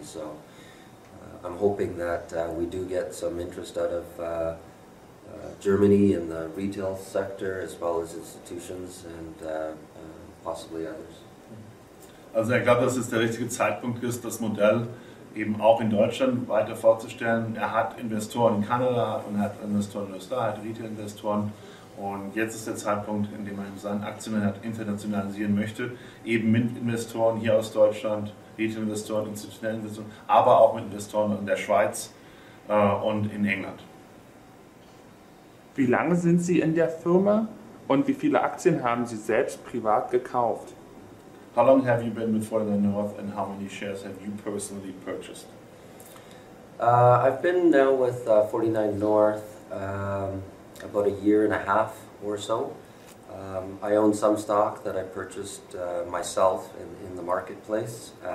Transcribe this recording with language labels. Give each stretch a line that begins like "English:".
English: So I'm hoping that we do get some interest out of Germany in the retail sector as well as institutions and possibly others.
German: Also, ich glaube, dass es der richtige Zeitpunkt ist, das Modell eben auch in Deutschland weiter vorzustellen. Er hat Investoren in Kanada und hat Investoren in Österreich, hat Retail-Investoren. Und jetzt ist der Zeitpunkt, in dem er seinen Aktienmarkt internationalisieren möchte, eben mit Investoren hier aus Deutschland, Retail-Investoren, institutionellen Investoren, aber auch mit Investoren in der Schweiz und in England. Wie lange sind Sie in der Firma und wie viele Aktien haben Sie selbst privat gekauft?
English: How long have you been with Florida North and how many shares have you personally purchased? I've been now with 49 North about a year and a half or so. I own some stock that I purchased myself in the marketplace.